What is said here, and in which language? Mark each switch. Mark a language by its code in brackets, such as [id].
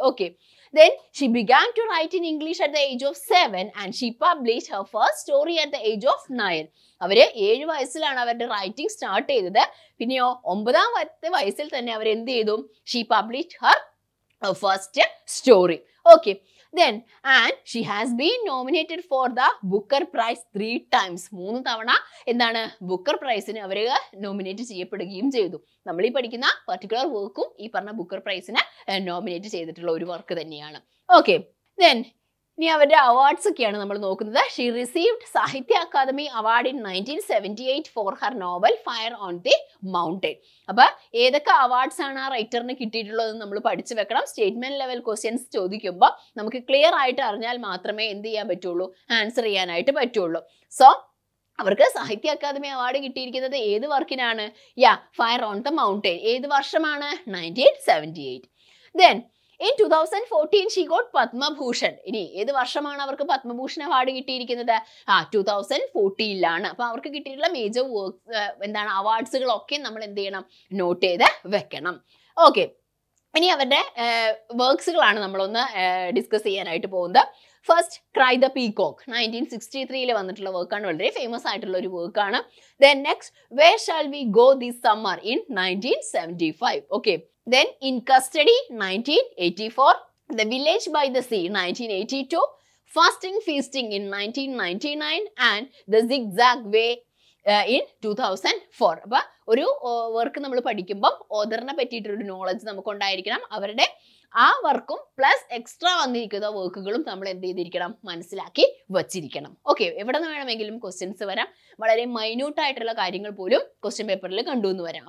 [en] Okay, then she began to write in English at the age of 7 and she publish her first story at the age of 9. [ml] അവര് 7 വയസ്സിലാണ് അവരുടെ writing start ചെയ്തത്. പിന്നെയോ 9 വയസ്സിൽ തന്നെ അവർ എന്ത് ചെയ്തു, [en] She publish her first story. Okay, then and she has been nominated for the booker prize 3 times. [ml] 3 times endana booker prize ne avare nominate cheyapadugiyum cheyidu. nammal ee padikuna particular workum ee parna booker prize ne nominate cheyidittulla oru work thanneyanu. okay, then ഇനി അവരുടെ awards ഒക്കെയാണ് നമ്മൾ നോക്കുന്നത്. [en] She received Sahitya Akademi award in 1978 for her novel fire on the mountain. [ml] അപ്പൊ ഏതൊക്കെ awards ആണ് ആ റൈറ്ററിന് കിട്ടിയിട്ടുള്ളത് നമ്മൾ പഠിച്ചു വെക്കണം. സ്റ്റേറ്റ്മെന്റ് ലെവൽ ക്വസ്റ്റ്യൻസ് ചോദിക്കുമ്പോൾ നമുക്ക് ക്ലിയർ ആയിട്ട് അറിഞ്ഞാൽ മാത്രമേ എന്ത് ചെയ്യാൻ പറ്റുള്ളൂ, ആൻസർ ചെയ്യാനായിട്ട് പറ്റുള്ളൂ. സോ അവർക്ക് സാഹിത്യ അക്കാദമി അവാർഡ് കിട്ടിയിരിക്കുന്നത് ഏത് വർക്കിനാണ്, യാ ഫയർ ഓൺ ദ മൗണ്ടൻ. ഏത് വർഷമാണ്, [en] 1978. Then In 2014, she got Padma Bhushan. [ml] ഇനി ഏത് വർഷമാണ് അവർക്ക് പത്മഭൂഷൺ അവാർഡ് കിട്ടിയിരിക്കുന്നത്, ആ 2014. അപ്പൊ അവർക്ക് കിട്ടിയിട്ടുള്ള മേജർ വർക്ക് എന്താണ് അവാർഡ്സുകളൊക്കെ നമ്മൾ എന്ത് ചെയ്യണം, നോട്ട് ചെയ്ത് വെക്കണം. ഓക്കെ, ഇനി അവരുടെ വർക്ക്സുകളാണ് നമ്മളൊന്ന് ഡിസ്കസ് ചെയ്യാനായിട്ട് പോകുന്നത്. ഫസ്റ്റ് ക്രൈ ദ പീകോക്ക്, 1963 വന്നിട്ടുള്ള വർക്കാണ്, വളരെ ഫേമസ് ആയിട്ടുള്ള ഒരു വർക്കാണ്. [en] Then next where shall we go this summer in 1975. Okay, then in custody 1984, the village by the sea 1982, fasting feasting in 1999 and the zigzag way in 2004. [ml] അപ്പൊ ഒരു work നമ്മൾ പഠിക്കുമ്പം ഓദറിനെ പറ്റിയിട്ടൊരു നോളജ് നമുക്ക് ഉണ്ടായിരിക്കണം. അവരുടെ ആ വർക്കും പ്ലസ് എക്സ്ട്രാ വന്നിരിക്കുന്ന വർക്കുകളും നമ്മൾ എന്ത് ചെയ്തിരിക്കണം, മനസ്സിലാക്കി വച്ചിരിക്കണം. ഓക്കെ, എവിടെ നിന്ന് വേണമെങ്കിലും ക്വസ്റ്റ്യൻസ് വരാം, വളരെ മൈന്യൂട്ട് ആയിട്ടുള്ള കാര്യങ്ങൾ പോലും ക്വസ്റ്റ്യൻ പേപ്പറിൽ കണ്ടു എന്ന് വരാം.